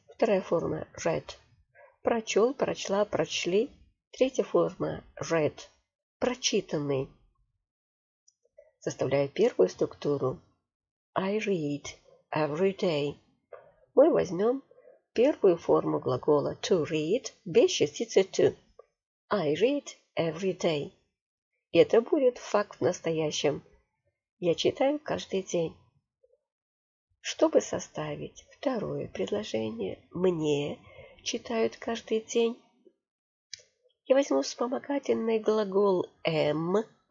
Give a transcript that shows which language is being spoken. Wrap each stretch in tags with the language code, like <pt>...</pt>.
<ru>Вторая форма – read. Прочел, прочла, прочли. Третья форма – read. Прочитанный. Составляя первую структуру –</ru> <en>I read every day.</en> <ru>Мы возьмем первую форму глагола to read без частицы to.</ru> <en>I read every day.</en> <ru>И это будет факт в настоящем. Я читаю каждый день. Чтобы составить второе предложение «Мне читают каждый день», я возьму вспомогательный глагол «am».</ru>